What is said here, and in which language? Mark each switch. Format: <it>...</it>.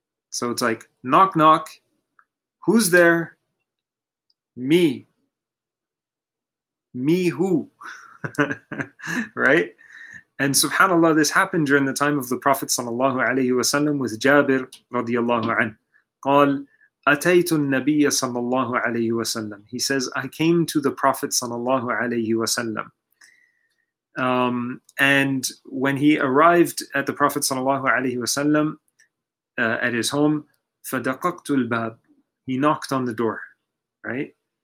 <en>So it's like, knock, knock. Who's there? Me. Me who? Right? And subhanAllah, this happened during the time of the Prophet sallallahu alayhi wa sallam with Jabir radiallahu anhu.</en> <ar>قال أتيت النبي صلى الله عليه وسلم.</ar> <en>He says, I came to the Prophet صلى الله عليه وسلم. And when he arrived at the Prophet صلى الله عليه وسلم at his home,</en> <ar>فدققت الباب.</ar> <en>He knocked on the door, right?</en>